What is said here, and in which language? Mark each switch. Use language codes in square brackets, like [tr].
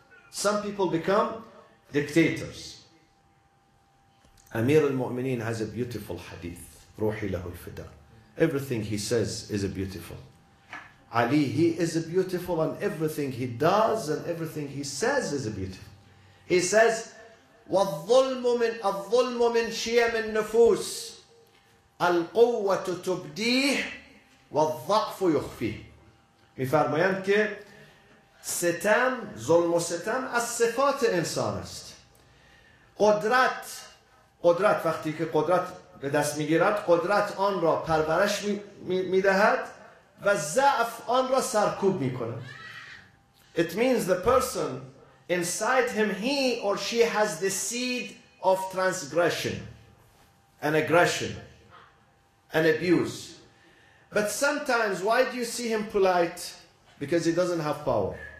[en] Some people become dictators. Amir al-Mu'mineen has a beautiful hadith. Ruhi lahu al-fida. Everything he says is a beautiful. Ali, he is a beautiful, and everything he does and everything he says is a beautiful. [ar] He says, وَالظُّلْمُ مِنْ الظُّلْمُ مِنْ شِيَ مِنْ نُفُوسِ الْقُوَّةُ تُبْدِيهِ وَالضَّعْفُ يُخْفِيهِ. [fa] میفرمایند که ستم، ظلم و ستم از صفات انسان است. قدرت، قدرت وقتی که قدرت به دست میگیرد، قدرت آن را پرورش میدهد و ضعف آن را سرکوب میکند. [en] It means the person inside him, he or she has the seed of transgression and aggression and abuse. But sometimes, why do you see him polite? Because he doesn't have power.